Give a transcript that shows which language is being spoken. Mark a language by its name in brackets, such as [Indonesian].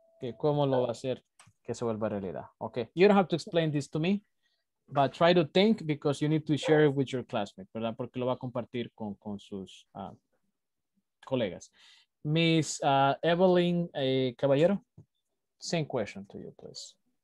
[Spanish] Okay, ¿cómo lo va a hacer que se vuelva realidad? [English] Okay, you don't have to explain this to me, but try to think because you need to share it with your classmates, ¿verdad? [Spanish] Porque lo va a compartir con sus colegas. [English] Miss Evelyn Caballero, same question to you, please.